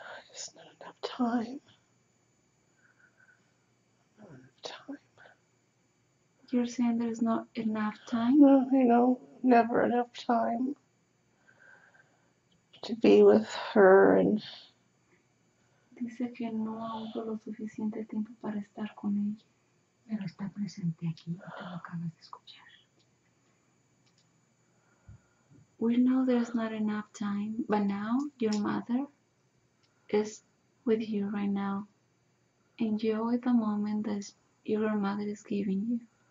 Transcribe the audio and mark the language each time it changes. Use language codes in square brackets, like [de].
[en] Just not enough time. Not enough time. You're saying there's not enough time? No, you know. Never enough time to be with her and [es] dice que no hago lo suficiente tiempo para estar con ella, pero está presente aquí, te lo acabas de escuchar. [en] We know there's not enough time, but now your mother is with you right now. Enjoy the moment that your mother is giving you.